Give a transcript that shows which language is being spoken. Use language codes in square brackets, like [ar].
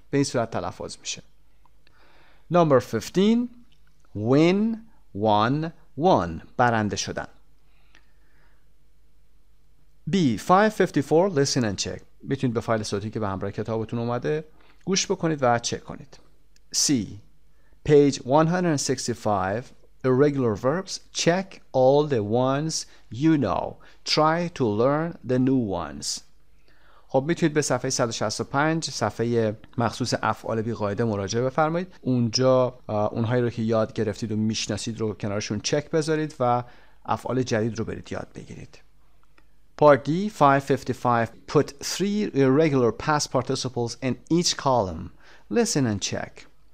[fa] به این صورت تلفظ میشه. [en] Number 15, win, won, won. [fa] برنده شدن. [en] B, 554, listen and check. [fa] میتونید به فایل صوتی که به همراه کتابتون اومده گوش بکنید و چک کنید. [en] C, page 165, irregular verbs, check all the ones you know. Try to learn the new ones. [fa] خب میتونید به صفحه 165 صفحه مخصوص افعال بیقاعده مراجعه بفرمایید. اونجا اونهایی رو که یاد گرفتید و میشناسید رو کنارشون چک بذارید و افعال جدید رو برید یاد بگیرید. [en] Part D, 555, put three irregular past participles in each column. Listen and check.